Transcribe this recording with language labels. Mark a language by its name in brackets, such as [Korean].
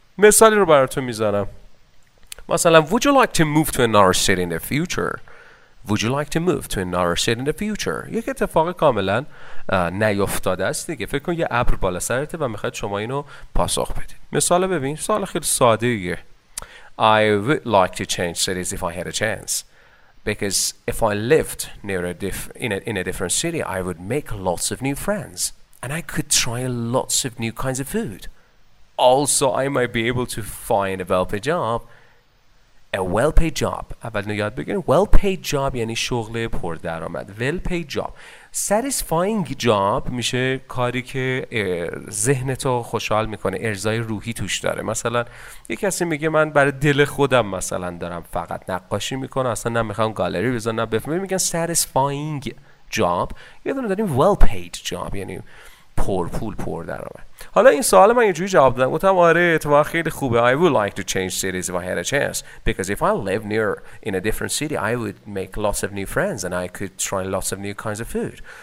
[Persian] مثالی رو براتون میزنم، مثلا [English] would you like to move to another city in the future؟ Would you like to move to another city in the future؟ [Persian] یک اتفاق کاملا نیفتاده است دیگه، فکر کن یه ابر بالا سرته و میخواد شما اینو پاسخ بدید. مثال ببین، سوال خیلی ساده ایه. [English] I would like to change cities if I had a chance, because if I lived near a in a different city, I would make lots of new friends and I could try lots of new kinds of food. Also, I might be able to find a well-paid job. A well-paid job. [Persian] اول نیاد بگیم. [English] Well-paid job [Persian] یعنی شغل پر درآمد. [English] Well-paid job. Satisfying job [Persian] میشه کاری که ذهنتو خوشحال میکنه، ارضای روحی توش داره. مثلا یه کسی میگه من برای دل خودم مثلا دارم فقط نقاشی میکنم، اصلا نمیخوام گالری بزنم، نبفهمم. میگن [English] satisfying job. [Persian] یه دونه داریم [English] well-paid job [Persian] یعنی پر پول، پر درآمد. حالا این سوال من یه جوری جواب دادم، گفتم آره تو خیلی خوبه. [English] I would like to change cities if I had a chance, because if I live near in a different city, I would make lots of new friends and I could try lots of new kinds of food.